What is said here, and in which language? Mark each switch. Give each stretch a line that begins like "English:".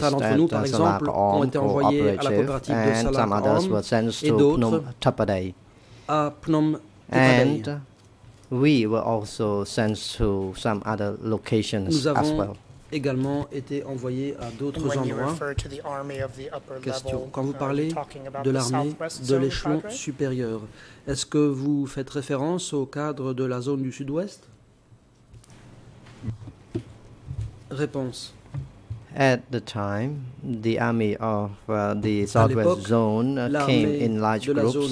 French: certains d'entre nous, par exemple, ont été envoyés à la coopérative de Salak-Om et d'autres Phnom Thapaday. À Phnom Thapaday.
English: And we were also sent to some other locations
French: nous avons
English: as well.
French: Également été envoyé à d'autres endroits. Question. Quand vous parlez de l'armée de l'échelon supérieur, est-ce que vous faites référence au cadre de la zone du sud-ouest? Réponse.
English: At the time, the army of the southwest zone came in large groups.